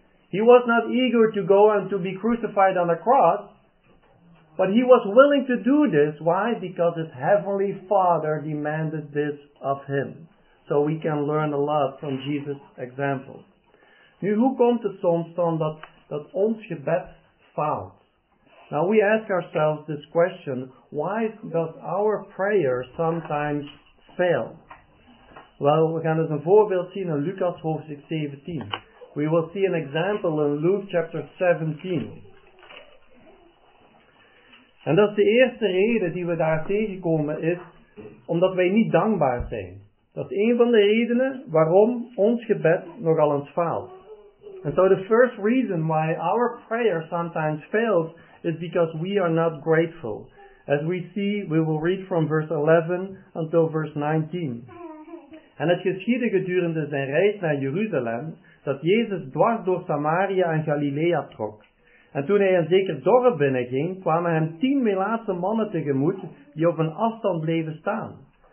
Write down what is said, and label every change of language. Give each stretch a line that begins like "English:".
English: He was not eager to go and to be crucified on the cross. But he was willing to do this. Why? Because his heavenly Father demanded this of him. So we can learn a lot from Jesus' example.
Dutch: Nu, hoe komt het soms dan dat ons gebed faalt?
English: Now we ask ourselves this question. Why does our prayer sometimes fail?
Dutch: Well, we gaan dus een voorbeeld zien in Lucas hoofdstuk 17.
English: We will see an example in Luke chapter 17.
Dutch: En dat is de eerste reden die we daar tegenkomen, is omdat wij niet dankbaar zijn. Dat is een van de redenen waarom ons gebed nogal eens faalt.
English: And so the first reason why our prayer sometimes fails is because we are not grateful. As we see, we will read from verse 11 until verse 19.
Dutch: En het geschiedde gedurende zijn reis naar Jeruzalem, dat Jezus dwars door Samaria en Galilea trok. En toen hij een zeker dorp binnenging, kwamen hem 10 melaatse mannen tegemoet, die op een afstand bleven staan.